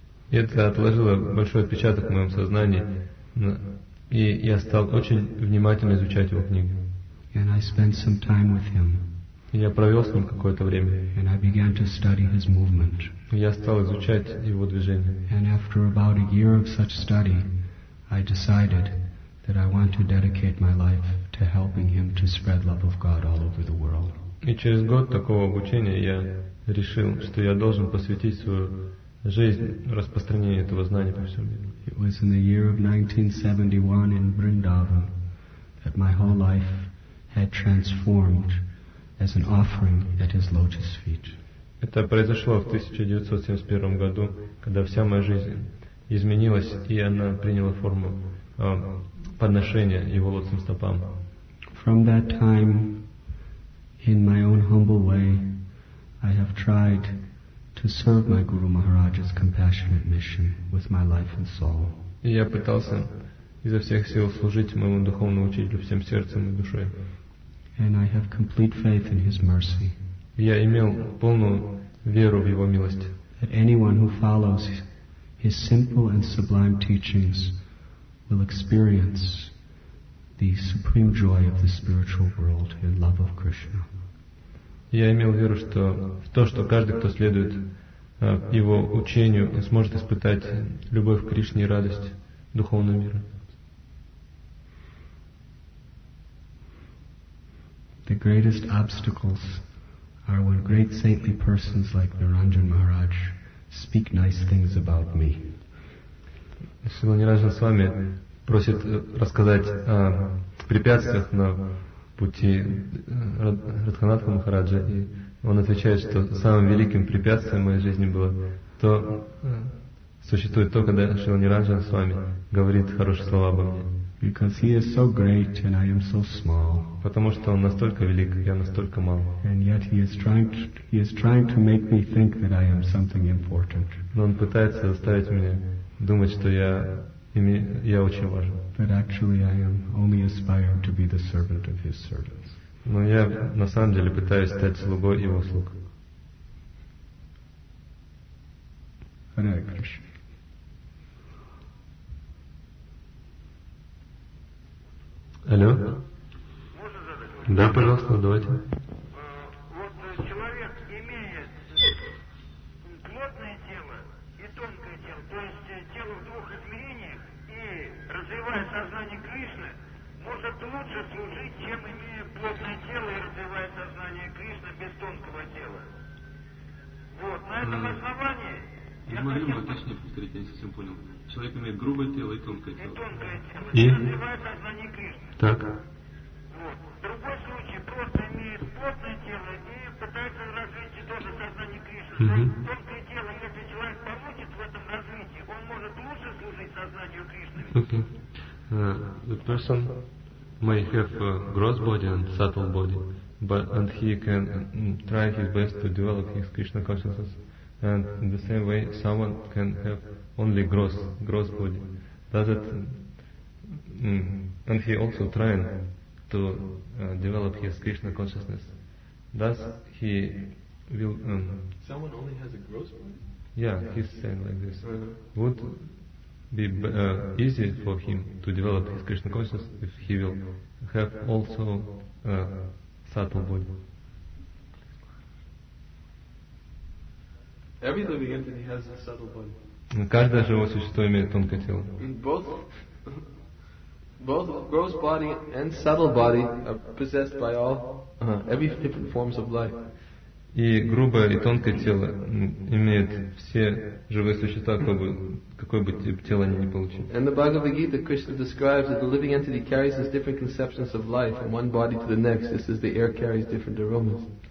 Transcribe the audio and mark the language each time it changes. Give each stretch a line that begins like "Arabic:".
Russian: Это отложило большой отпечаток в моем сознании, и я стал очень внимательно изучать его книги.
English: And I spent some time with him.
Russian: Я провел с ним какое-то время.
English: And I began to study his movement.
Russian: Я стал изучать его движение.
English: And after about a year of such study, I decided that I want to dedicate my life to helping him to spread love of God all over the world.
Russian: И через год такого обучения я решил, что я должен посвятить свою жизнь распространению этого знания по всему миру.
English: It was in the year of 1971 in Vrindavan that my whole life had transformed as an offering at his lotus feet.
Russian: Это произошло в 1971 году, когда вся моя жизнь изменилась, и она приняла форму подношения его лотосным стопам.
English: From that time, in my own humble way, I have tried to serve my Guru Maharaj's compassionate mission with my life and soul.
Russian: И я пытался изо всех сил служить моему духовному учителю всем сердцем и душой.
English: And I have complete faith in his mercy.
Russian: Я имел полную веру в его милость.
English: That anyone who follows his simple and sublime teachings will experience the supreme joy of the spiritual world and love of Krishna.
Russian: Я имел веру, что в то, что каждый, кто следует его учению, сможет испытать любовь к Кришне и радость духовного мира.
English: The greatest obstacles are when great saintly persons like Niranjan Maharaj speak nice things about me.
Russian: Srila Niranjan Swami просит рассказать о препятствиях на пути Радханатха Махараджа, и он отвечает, что самым великим препятствием в моей жизни было то, существует то, когда Srila Niranjan Swami говорит хорошие слова обо мне.
English: Because he is so great and I am so small.
Russian: Потому что он настолько велик, я настолько мал.
English: And yet he is trying to make me think that I am something important.
Russian: Но он пытается заставить меня думать, что я очень важен.
English: But actually I am only aspiring to be the servant of his servants.
Russian: Но я на самом деле пытаюсь стать слугой его слуг.
English: Hare Krishna.
Russian: Алло? Можно задать вопрос? Да, пожалуйста, давайте. Вот человек имеет плотное тело и тонкое тело, то есть тело в двух измерениях, и развивая сознание Кришны, может лучше служить, чем имея плотное тело и развивая сознание Кришны без тонкого тела. Вот, на этом основании... Не могли бы точнее повторить, я не совсем понял. Человек имеет грубое тело и тонкое тело. И развивает сознание Кришны. Так. Вот. В другой случае просто имеет плотное тело и пытается развить тоже сознание Кришны. Угу. Тонкое тело, если человек получит в этом развитии, он может лучше служить сознанию Кришны.
English: Okay. The person may have a gross body and subtle body, but and he can try his best to develop his Krishna consciousness. And in the same way, someone can have only gross body. Does it? And he also trying to develop his Krishna consciousness. Does he will? Someone only has a gross body. Yeah, he's saying like this. Would be easy for him to develop his Krishna consciousness if he will have also subtle body. Every living entity has a subtle body.
Russian: Каждое живое существо имеет тонкое тело.
English: Both gross body and subtle body are possessed by all every different forms of life.
Russian: И грубое и тонкое тело имеют все живые существа, какой бы тип тела они ни получили.
English: And the Bhagavad Gita, Krishna describes that the living entity carries his different conceptions of life from one body to the next, just as the air carries different aromas.